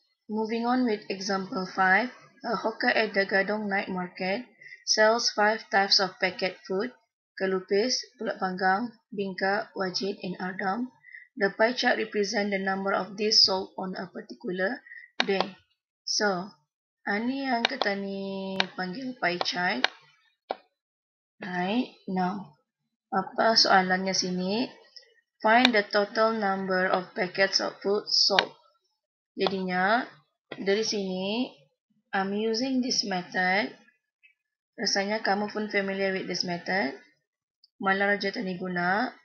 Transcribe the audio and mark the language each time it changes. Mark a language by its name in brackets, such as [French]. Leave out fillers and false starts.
[English] Moving on with example 5. A hawker at the Gadong Night Market sells 5 types of packet food. Kelupis, pulut panggang, bingka, wajit, and ardam. The pie chart represents the number of these sold on a particular day. [Malay] So, ini yang kita ni panggil pie chart. [English] Right? Now, [Malay] apa soalannya sini? [English] Find the total number of packets of food sold. [Malay] Jadinya, dari sini, [English] I'm using this method. [Malay] Rasanya kamu pun [English] familiar with this method. [Malay] Malah raja tani guna.